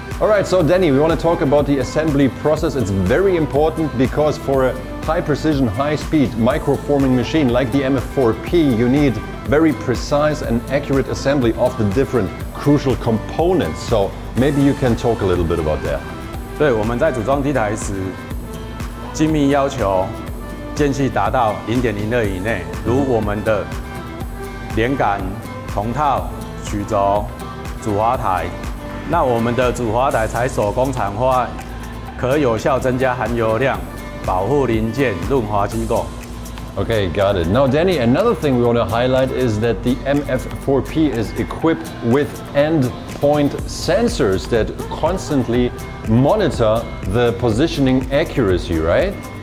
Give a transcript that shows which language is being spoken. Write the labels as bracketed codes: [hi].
[en] All right, so Danny, we want to talk about the assembly process. It's very important because for a high-precision, high-speed microforming machine like the MF4P, you need very precise and accurate assembly of the different crucial components. So maybe you can talk a little bit about that. [zh] 对，我们在组装机台时。精密要求间隙达到 0.02以内， 如我们的连杆、铜套、曲轴、主滑台， 那我们的主滑台采手工厂化， 可有效增加含油量， 保护零件润滑机构。 [en] Okay, got it. Now, Danny, another thing we want to highlight is that the MF4P is equipped with endpoint sensors that constantly monitor the positioning accuracy, right?